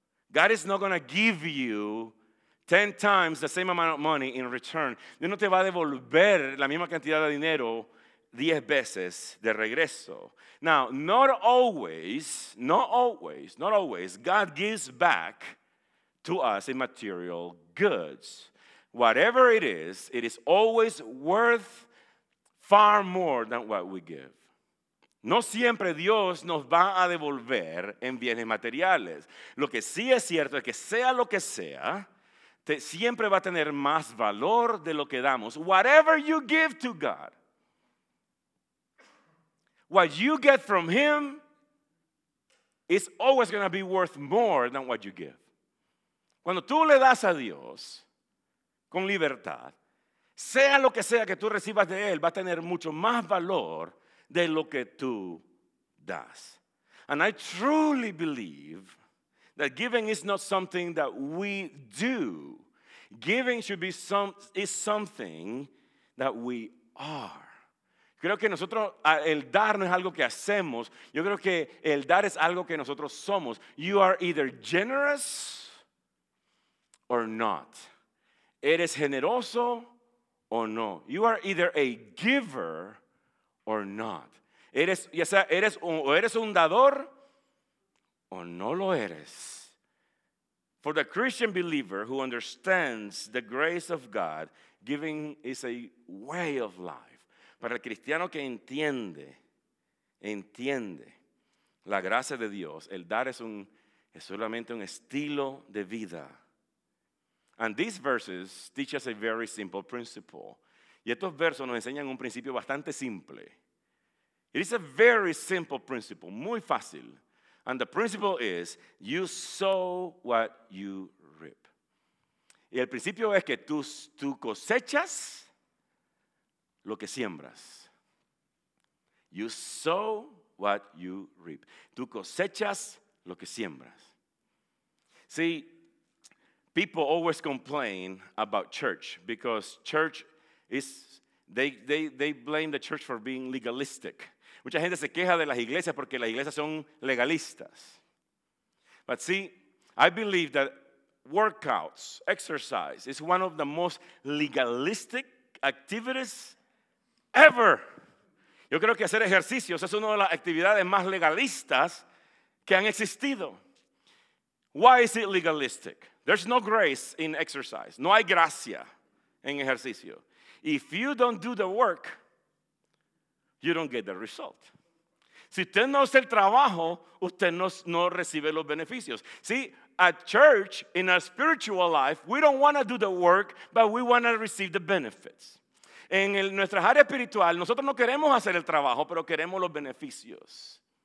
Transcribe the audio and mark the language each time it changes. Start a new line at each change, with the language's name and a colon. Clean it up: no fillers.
English: God is not going to give you 10 times the same amount of money in return.
Spanish: Dios no te va a devolver la misma cantidad de dinero 10 veces de regreso.
English: Now, not always, God gives back to us in material goods. Whatever it is always worth far more than what we give.
Spanish: No siempre Dios nos va a devolver en bienes materiales. Lo que sí es cierto es que sea lo que sea, siempre va a tener más valor de lo que damos.
English: Whatever you give to God, what you get from Him is always going to be worth more than what you give.
Spanish: Cuando tú le das a Dios con libertad, sea lo que sea que tú recibas de Él, va a tener mucho más valor de lo que tú das.
English: And I truly believe that giving is not something that we do. Giving should be is something that we are.
Spanish: Creo que nosotros, el dar no es algo que hacemos. Yo creo que el dar es algo que nosotros somos.
English: You are either generous or not.
Spanish: Eres generoso o no.
English: You are either a giver or not.
Spanish: Eres un dador o no lo eres.
English: For the Christian believer who understands the grace of God, giving is a way of life.
Spanish: Para el cristiano que entiende la gracia de Dios, el dar es solamente un estilo de vida.
English: And these verses teach us a very simple principle.
Spanish: Y estos versos nos enseñan un principio bastante simple.
English: It is a very simple principle,
Spanish: muy fácil.
English: And the principle is, you sow what you reap.
Spanish: Y el principio es que tú cosechas lo que siembras.
English: You sow what you reap.
Spanish: Tú cosechas lo que siembras.
English: See, people always complain about church because church is, they blame the church for being legalistic.
Spanish: Mucha gente se queja de las iglesias porque las iglesias son legalistas.
English: But see, I believe that workouts, exercise, is one of the most legalistic activities ever.
Spanish: Yo creo que hacer ejercicios es una de las actividades más legalistas que han existido.
English: Why is it legalistic? There's no grace in exercise.
Spanish: No hay gracia en ejercicio.
English: If you don't do the work, you don't get the result.
Spanish: Si usted no hace el trabajo, usted no recibe los beneficios.
English: See, at church, in our spiritual life, we don't want to do the work, but we want to receive the benefits.
Spanish: En nuestra área espiritual, nosotros no queremos hacer el trabajo, pero queremos los beneficios.